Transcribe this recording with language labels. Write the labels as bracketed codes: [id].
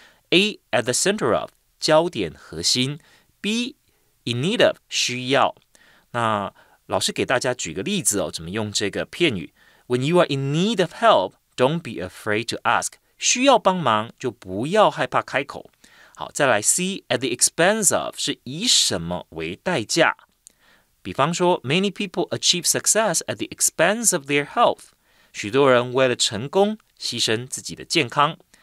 [en] A at the center of [zh] 焦点核心。 [en] B in need of [zh] 需要。那老师给大家举个例子哦，怎么用这个片语 [en] When you are in need of help, don't be afraid to ask. [zh] 需要帮忙就不要害怕开口。好，再来 C, [en] at the expense of [zh] 是以什么为代价。比方说 [en] Many people achieve success at the expense of their health. [zh] 许多人为了成功牺牲自己的健康。